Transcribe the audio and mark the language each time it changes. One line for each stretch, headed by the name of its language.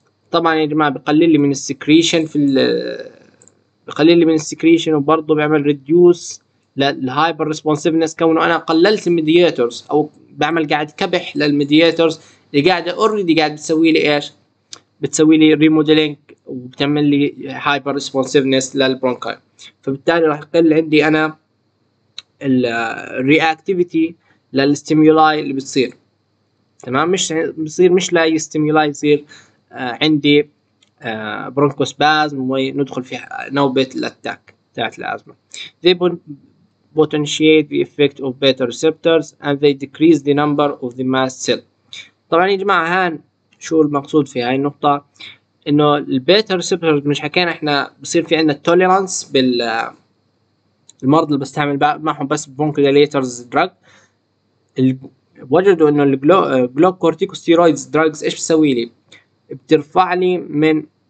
Arabic: طبعا يا جماعه بقلل لي من السكريشن في بقلل لي من السكريشن، وبرضه بيعمل ريديوس للهايبر ريسبونسيفنس كونه انا قللت المدياتورز، او بعمل قاعد كبح للمدياتورز اللي قاعده اوريدي قاعد بتسوي لي ايش؟ بتسوي لي ريموديلينج وبتعمل لي هايبر ريسبونسيفنس للبرونكاي، فبالتالي راح يقل عندي انا الرياكتيفيتي للستيمولاي اللي بتصير. تمام، مش بصير مش لاي ستيمولاي، يصير عندي برونكوسبازم وندخل في نوبه الاتاك تاعت الازمه.
English: They potentiate the effect of beta receptors and they decrease the number of the mast cell.
Arabic: طبعا يا جماعه هان شو المقصود في هاي النقطه؟ انه البيتا ريسبتورز مش حكينا احنا بصير في عندنا التوليرانس بال المرض اللي بستعمل معهم بس بونكوديليترز دراج، وجدوا انه الجلوك كورتيكوستيرويدز دراجز ايش بتسوي لي؟ بترفع لي من